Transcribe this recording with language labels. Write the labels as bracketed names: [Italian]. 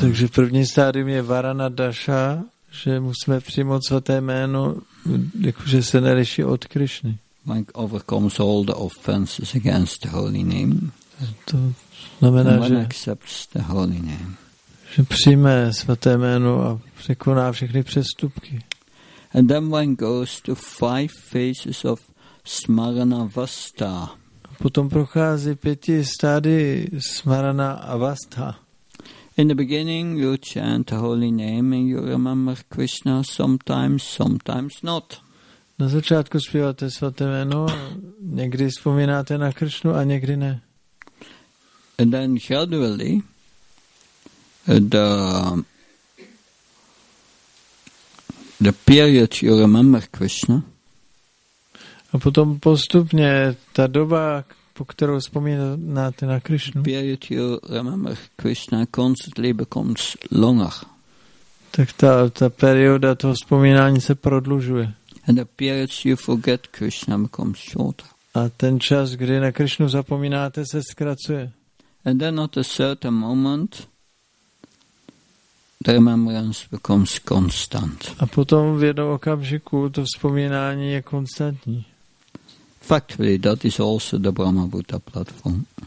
[Czech] Takže první stádium je Varanadasa, že musíme přijmout svaté jméno, jakože se neliší od Krishny. [English] Like overcomes all the offenses against the holy name. [Czech] To znamená, [English] one [Czech] že [English] accepts the holy name. [Czech] Že přijme svaté jméno a překoná všechny přestupky. [English] And then one goes to five phases of smaranavastha. [Czech] Potom prochází pěti stády smaranavastha. [English] In the beginning you chant the holy name and you remember Krishna sometimes, sometimes not. [Czech] Na začátku zpíváte svaté jméno, někdy vzpomínáte na Krishnu a někdy ne. [English] And then gradually the period you remember Krishna. [Czech] A potom postupně ta doba, po kterou vzpomínáte na Krishnu. [English] Period you remember Krishna constantly becomes longer. [Czech] Tak ta perioda toho vzpomínání se prodlužuje. [English] And the period you forget Krishna becomes shorter. [Czech] A ten čas, kdy na Krishnu zapomínáte, se zkracuje. [English] And then at a certain moment the remembrance becomes constant. [Czech] A potom v jednom okamžiku to vzpomínání je konstantní. [English] Factually, that is also the Brahma Buddha platform.